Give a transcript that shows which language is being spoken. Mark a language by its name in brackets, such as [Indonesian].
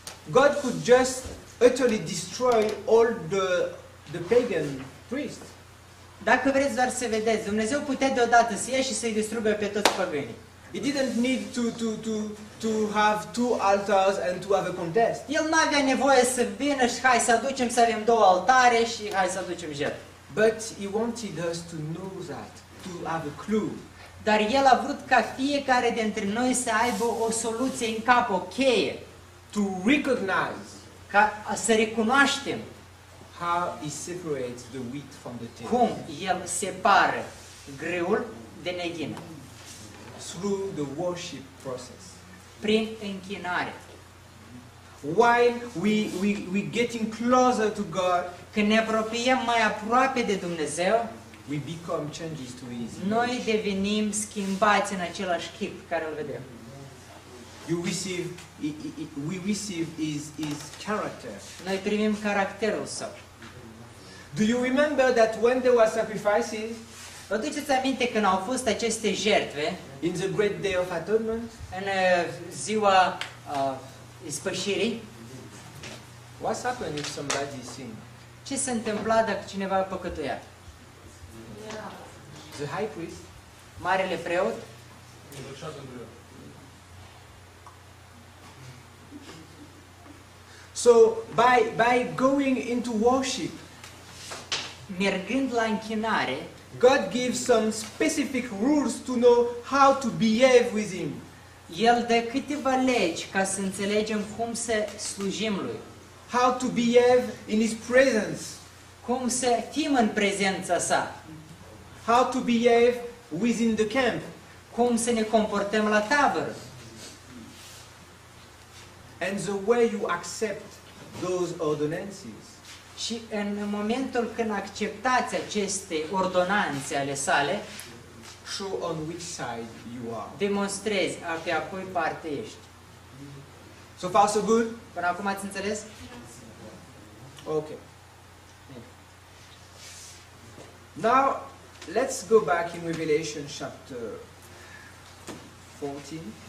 [English] God could just utterly destroy all the pagan priests. [Romanian] Dacă vreți doar să vedeți, Dumnezeu putea deodată să ia și să-i distrugă pe toți păgânii. [English] He didn't need to have two altars and to have a contest. [Romanian] El n-avea nevoie să vină și hai să aducem să avem două altare și hai să aducem jertfă. [English] But he wanted us to know that, to have a clue. [Romanian] Dar el a vrut ca fiecare dintre noi să aibă o soluție în cap, o cheie. [English] To recognize. [Romanian] Ca să recunoaștem. [English] How he separates the wheat from the tares. [Romanian] Cum el separă grâul de neghină. [English] Through the worship process. [Romanian] Prin închinare. [English] While we getting closer to God, [Romanian] când ne apropiem mai aproape de Dumnezeu, [English] we become changes to his image. [Romanian] Noi devenim schimbați în același chip care îl vedem. [English] You receive we receive his character. [Romanian] Noi primim caracterul său. [English] Do you remember that when there were sacrifices? [Romanian] Vă duceți aminte când au fost aceste jertfe? [English] In the great day of atonement. [Romanian] În ziua ispășirii. [English] What happened if somebody sinned? [Romanian] Ce se întâmpla dacă cineva păcătuia? [English] The high priest. [Romanian] Marele preot. [English] So by going into worship. [Romanian] Mergând la închinare. [English] God gives some specific rules to know how to behave with him. [Romanian] El dă câteva legi ca să înțelegem cum să slujim lui. [English] How to behave in his presence. [Romanian] Cum să fim în prezența sa. [English] How to behave within the camp. [Romanian] Cum să ne comportăm la tabără. [English] And the way you accept those ordinances. [Romanian] Și în momentul când acceptați aceste ordonanțe ale sale, [English] show on which side you are. [Romanian] Demonstrezi a pe a cui parte ești. [English] So far so good? [Romanian] Până acum ați înțeles? [English] Ok. Now, let's go back in Revelation chapter 14.